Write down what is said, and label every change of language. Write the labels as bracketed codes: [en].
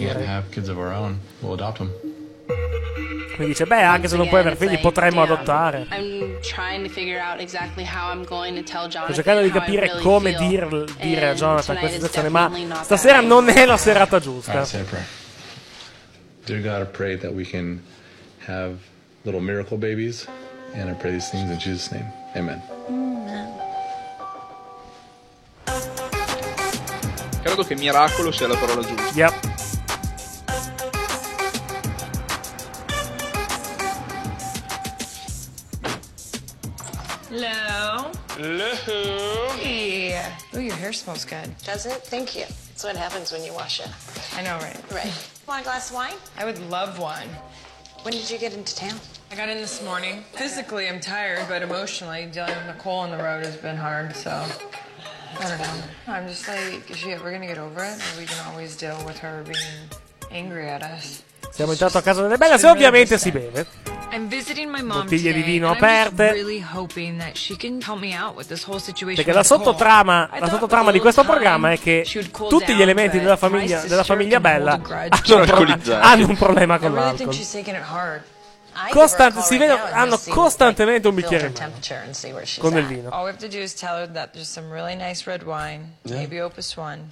[en] If we can't have kids of our own, we'll adopt them. [it] Quindi dice, beh, anche se non puoi avere figli, potremmo adottare. Sto cercando di capire come dire a Jonathan questa situazione, ma stasera non è la serata giusta. [en] Dear God, I pray that we can have little miracle babies, and I pray these things in Jesus' name. Amen. [it] Credo che miracolo sia la parola giusta. [en] Yep. Hello. Hey. Oh, your hair smells good. Does it? Thank you. That's what happens when you wash it. I know, right? Right. Want a glass of wine? I would love one. When did you get into town? I got in this morning. Physically, I'm tired, but emotionally, dealing with Nicole on the road has been hard, so I don't know. I'm just like, is she ever going to get over it? Or we can always deal with her being angry at us. [it] Siamo entrati a casa delle belle, se ovviamente si beve. [en] I'm visiting my mom [it] bottiglie [en] today, [it] di vino aperte. [en] Really hoping that she can help me out with this whole situation. [it] Perché la sottotrama di questo programma è che tutti gli elementi della famiglia bella hanno un problema con l'alcol. Hanno costantemente un bicchiere in mano con il vino. [en] All we have to do is tell her that there's some really nice red wine, maybe Opus One.